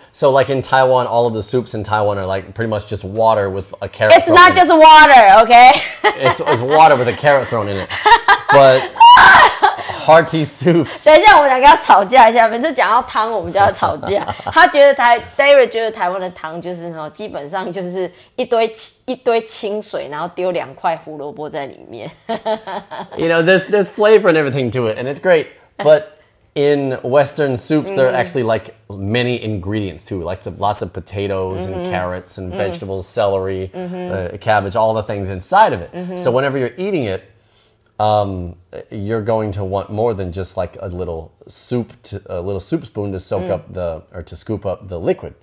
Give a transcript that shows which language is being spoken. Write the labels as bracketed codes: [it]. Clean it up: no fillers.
[en] So like in Taiwan, all of the soups in Taiwan are like pretty much just water with a carrot. It's not just water, okay? It's water with a carrot thrown in it, but hearty soups. [zh] 等一下，我们两个要吵架一下。每次讲到汤，我们就要吵架。他觉得David 觉得台湾的汤就是说，基本上就是一堆清水，然后丢两块胡萝卜在里面。 [en] You know, there's flavor and everything to it, and it's great. But in Western soups, there are actually like many ingredients too, like lots of potatoes and carrots and vegetables, celery, cabbage, all the things inside of it. So whenever you're eating it. You're going to want more than just like a little soup spoon to soak up the, or to scoop up the liquid.